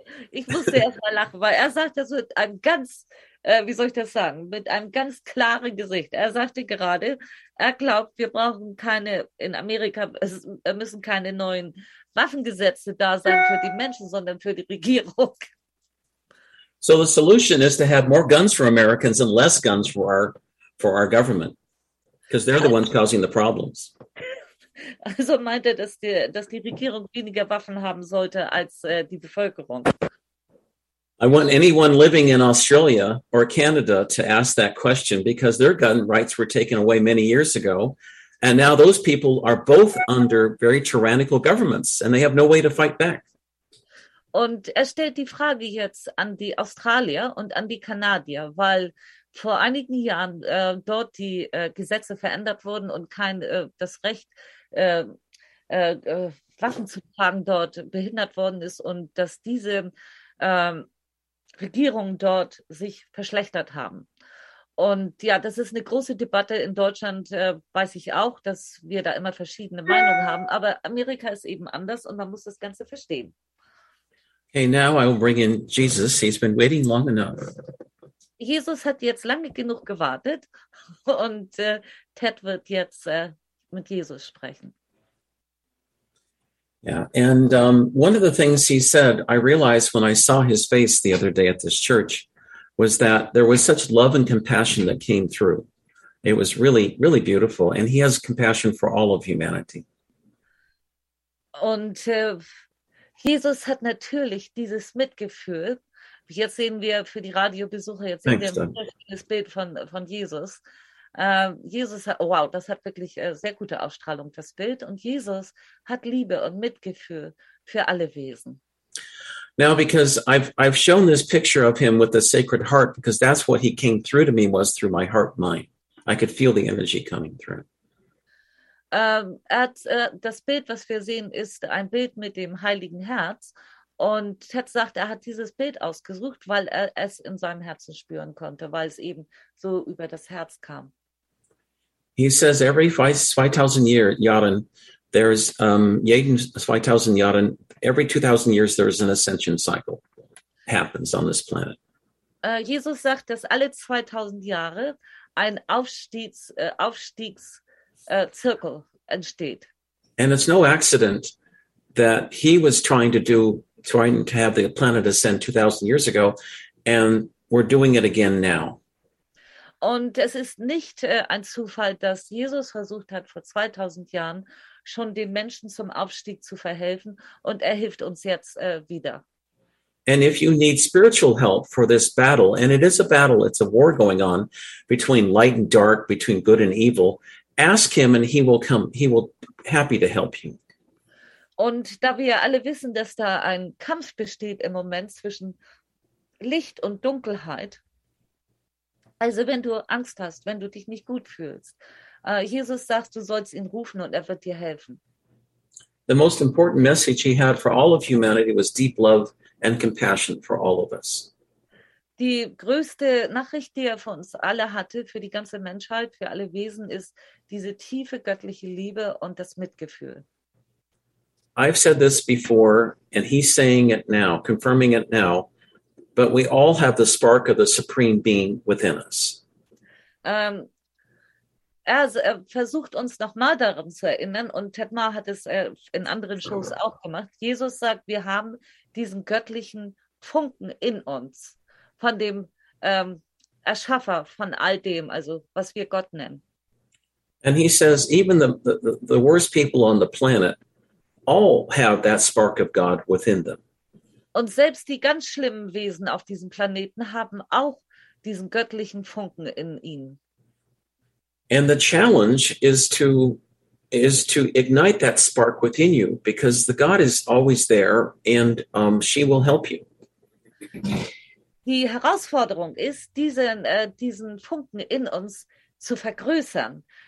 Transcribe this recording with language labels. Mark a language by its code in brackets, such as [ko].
[de] Ich musste erst mal lachen, weil er sagte so mit einem ganz, wie soll ich das sagen, mit einem ganz klaren Gesicht. Er sagte gerade, er glaubt, wir brauchen keine, in Amerika müssen keine neuen Waffengesetze da sein für die Menschen, sondern für die Regierung. [en] So the solution is to have more guns for Americans and less guns for our government, because they're the ones causing the problems. [de] Also meinte, dass die Regierung weniger Waffen haben sollte als die Bevölkerung. [en] I want anyone living in Australia or Canada to ask that question, because their gun rights were taken away many years ago, and now those people are both under very tyrannical governments, and they have no way to fight back. [de] Und er stellt die Frage jetzt an die Australier und an die Kanadier, weil vor einigen Jahren dort die Gesetze verändert wurden und das Recht, Waffen zu tragen, dort behindert worden ist und dass diese Regierungen dort sich verschlechtert haben. Und ja, das ist eine große Debatte in Deutschland, weiß ich auch, dass wir da immer verschiedene Meinungen haben, aber Amerika ist eben anders und man muss das Ganze verstehen. [en] Okay, now I will bring in Jesus. He's been waiting long enough. [de] Jesus hat jetzt lange genug gewartet und Ted wird jetzt mit Jesus sprechen. [en] Yeah. And one of the things he said, I realized when I saw his face the other day at this church, was that there was such love and compassion that came through. It was really, really beautiful. And he has compassion for all of humanity. [de] Und Jesus hat natürlich dieses Mitgefühl. Jetzt sehen wir für die Radiobesucher, jetzt sehen [en] Thanks, [de] wir ein wunderschönes Bild von Jesus. Jesus hat, wow, das hat wirklich sehr gute Ausstrahlung, das Bild. Und Jesus hat Liebe und Mitgefühl für alle Wesen. [en] Now, because I've shown this picture of him with the Sacred Heart, because that's what he came through to me was through my heart mind. I could feel the energy coming through. [de] Das Bild, was wir sehen, ist ein Bild mit dem Heiligen Herz. Und Ted sagt, er hat dieses Bild ausgesucht, weil er es in seinem Herzen spüren konnte, weil es eben so über das Herz kam. [en] He says, every 2000 Jahren, there's, [de] jeden 2000 Jahren, [en] every 2000 years, there's an ascension cycle happens on this planet. [de] Jesus sagt, dass alle 2000 Jahre ein Aufstiegszirkel entsteht. [en] And it's no accident that he was trying to have the planet ascend 2000 years ago, and we're doing it again now. [de] Und es ist nicht ein Zufall, dass Jesus versucht hat, vor 2000 Jahren schon den Menschen zum Aufstieg zu verhelfen, und er hilft uns jetzt wieder. [en] And if you need spiritual help for this battle, and it is a battle, it's a war going on between light and dark, between good and evil, ask him and he will come, he will happy to help you. [de] Und da wir alle wissen, dass da ein Kampf besteht im Moment zwischen Licht und Dunkelheit, also wenn du Angst hast, wenn du dich nicht gut fühlst, Jesus sagt, du sollst ihn rufen und er wird dir helfen. [en] The most important message he had for all of humanity was deep love and compassion for all of us. [de] Die größte Nachricht, die er für uns alle hatte, für die ganze Menschheit, für alle Wesen, ist diese tiefe göttliche Liebe und das Mitgefühl. [en] I've said this before, and he's saying it now, confirming it now, but we all have the spark of the Supreme Being within us. [de] Er versucht uns nochmal daran zu erinnern, und Ted Ma hat es in anderen Shows auch gemacht. Jesus sagt, wir haben diesen göttlichen Funken in uns, von dem Erschaffer von all dem, also was wir Gott nennen. [en] And he says, even the worst people on the planet all have that spark of God within them. [de] Und selbst die ganz schlimmen Wesen auf diesem Planeten haben auch diesen göttlichen Funken in ihnen. [en] And the challenge is to ignite that spark within you, because the God is always there, and she will help you. [de] Die Herausforderung ist, diesen Funken in uns zu vergrößern.